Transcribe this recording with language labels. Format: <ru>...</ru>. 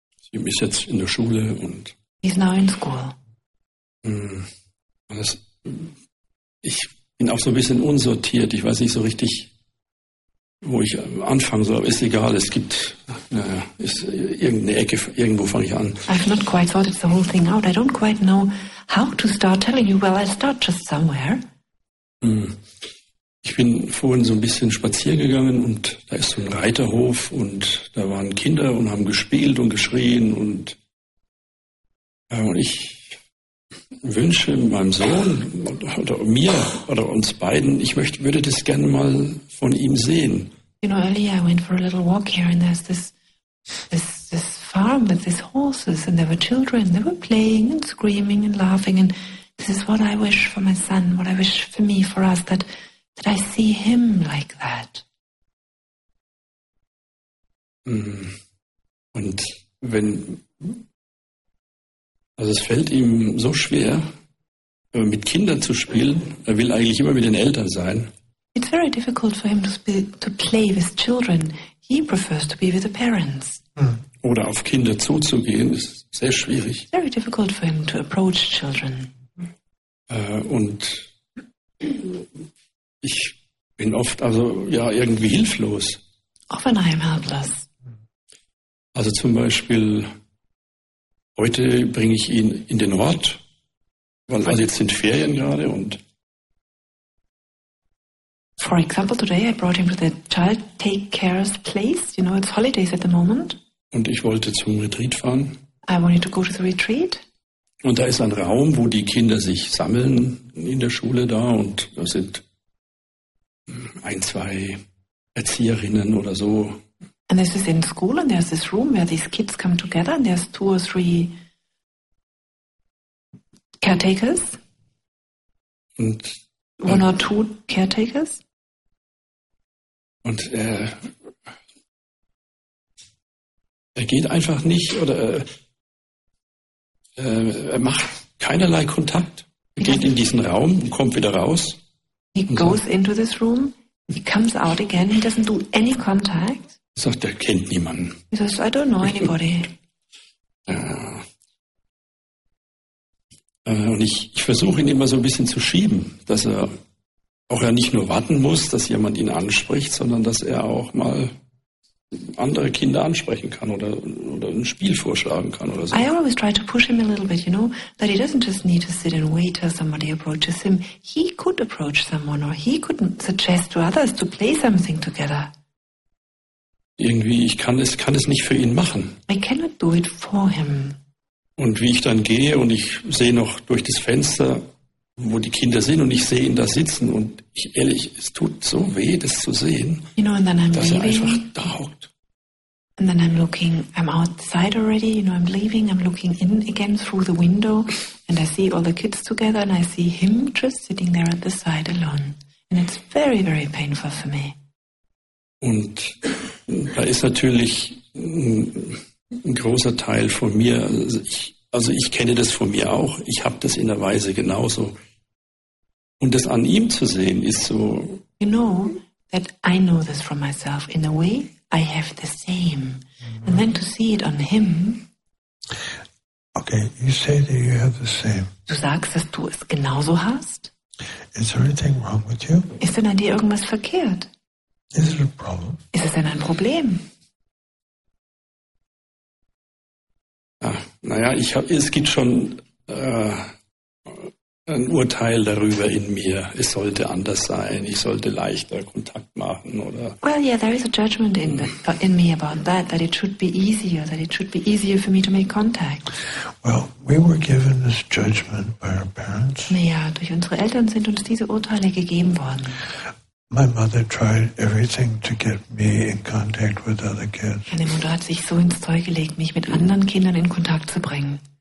<de>7 ist jetzt in der Schule und...</de> <en>He's now in school.</en> <de>Ich bin auch so ein bisschen unsortiert. Ich weiß nicht so richtig, wo ich anfangen soll, ist egal, es gibt ist irgendeine Ecke, irgendwo fange ich an.</de> <en>I've not quite sorted the whole thing out. I don't quite know how to start telling you. Well, I start just somewhere.</en> <de>Ich bin vorhin so ein bisschen spaziergegangen und da ist so ein Reiterhof und da waren Kinder und haben gespielt und geschrien und ich wünsche meinem Sohn oder mir oder uns beiden, würde das gerne mal von ihm sehen.</de> <en>You know, earlier I went for a little walk here and there's this farm with these horses and there were children. They were playing and screaming and laughing and this is what I wish for my son, what I wish for me, for us, that I see him like that.</en> <de>Und wenn... Also es fällt ihm so schwer, mit Kindern zu spielen. Er will eigentlich immer mit den Eltern sein.</de> <en>It's very difficult for him to play with children. He prefers to be with the parents.</en> <de>Oder auf Kinder zuzugehen, ist sehr schwierig.</de> <en>It's very difficult for him to approach children.</en> <de>Und ich bin oft, also ja, irgendwie hilflos.</de> <en>Often I am helpless.</en> <de>Also zum Beispiel... Heute bringe ich ihn in den Ort, weil also jetzt sind Ferien gerade und.</de> <en>For example, today I brought him to the child take care's place. You know, it's holidays at the moment.</en> <de>Und ich wollte zum Retreat fahren.</de> <en>I wanted to go to the retreat.</en> <de>Und da ist ein Raum, wo die Kinder sich sammeln in der Schule da und da sind ein, zwei Erzieherinnen oder so.</de> <en>And this is in school, and there's this room where these kids come together, and there's two or three caretakers.</en> <de>Und,</de> <en>one or two caretakers.</en> <de>Und er geht einfach nicht, oder er macht keinerlei Kontakt. Er geht in diesen Raum und kommt wieder raus.</de> <en>He goes into this room, he comes out again, he doesn't do any contact.</en> <de>Sagt, er kennt niemanden.</de> <en>He says, I don't know anybody.</en> <de>Und ich versuche ihn immer so ein bisschen zu schieben, dass er auch ja nicht nur warten muss, dass jemand ihn anspricht, sondern dass er auch mal andere Kinder ansprechen kann oder ein Spiel vorschlagen kann oder so.</de> <en>I always try to push him a little bit, you know, that he doesn't just need to sit and wait till somebody approaches him. He could approach someone or he could suggest to others to play something together.</en> <de>Irgendwie, ich kann es nicht für ihn machen.</de> <en>I cannot do it for him.</en> <de>Und wie ich dann gehe und ich sehe noch durch das Fenster, wo die Kinder sind und ich sehe ihn da sitzen und ich ehrlich, es tut so weh, das zu sehen,</de> <en>you know, and then I'm</en> <de>dass</de> <en>leaving.</en> <de>Er einfach da hockt.</de> <en>And then I'm looking, I'm outside already, you know, I'm leaving, I'm looking in again through the window and I see all the kids together and I see him just sitting there at the side alone. And it's very, very painful for me.</en> <de>Und da ist natürlich ein großer Teil von mir, also ich kenne das von mir auch, ich habe das in der Weise genauso. Und das an ihm zu sehen ist so...</de> <en>You know that I know this from myself. In a way, I have the same. And then to see it on him... Okay, you say that you have the same.</en> <de>Du sagst, dass du es genauso hast?</de> <en>Is there anything wrong with you?</en> <de>Ist denn an dir irgendwas verkehrt?</de> <en>Is it a problem?</en> <de>Ist es denn ein Problem? Naja, es gibt schon ein Urteil darüber in mir. Es sollte anders sein. Ich sollte leichter Kontakt machen oder.</de> <en>Well, yeah, there is a judgment in me about that. That it should be easier. That it should be easier for me to make contact. Well, we were given this judgment by our parents.</en> <de>Naja, durch unsere Eltern sind uns diese Urteile gegeben worden.</de> <en>My mother tried everything to get me in contact with other kids.</en> <de>Meine Mutter hat sich so ins Zeug gelegt, mich mit anderen Kindern in Kontakt zu bringen.</de>